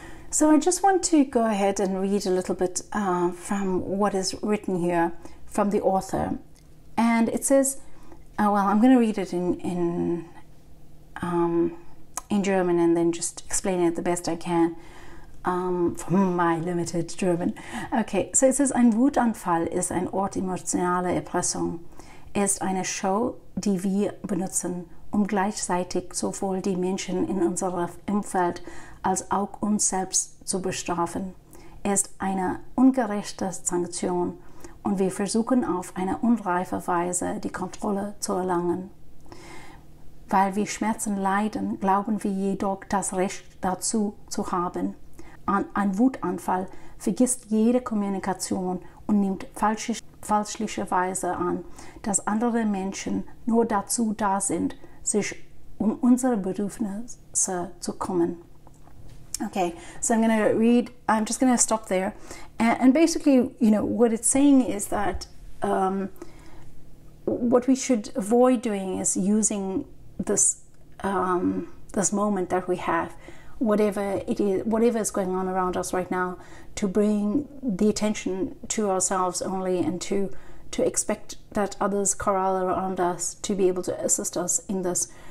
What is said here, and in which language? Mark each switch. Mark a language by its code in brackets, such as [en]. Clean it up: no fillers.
[en] So I just want to go ahead and read a little bit from what is written here from the author. And it says, I'm going to read it in German and then just explain it the best I can. from my limited German. Okay, so it says, [de] ein Wutanfall ist ein Ort emotionaler Erpressung. Er ist eine Show, die wir benutzen, um gleichzeitig sowohl die Menschen in unserem Umfeld als auch uns selbst zu bestrafen. Er ist eine ungerechte Sanktion und wir versuchen auf eine unreife Weise die Kontrolle zu erlangen. Weil wir Schmerzen leiden, glauben wir jedoch das Recht dazu zu haben. Ein Wutanfall vergisst jede Kommunikation und nimmt fälschlicherweise an, dass andere Menschen nur dazu da sind, sich um unsere Bedürfnisse zu kümmern. [en] Okay, so I'm just going to stop there. And basically, you know, what it's saying is that what we should avoid doing is using this this moment that we have, whatever it is, whatever is going on around us right now, to bring the attention to ourselves only and to expect that others corral around us to be able to assist us in this.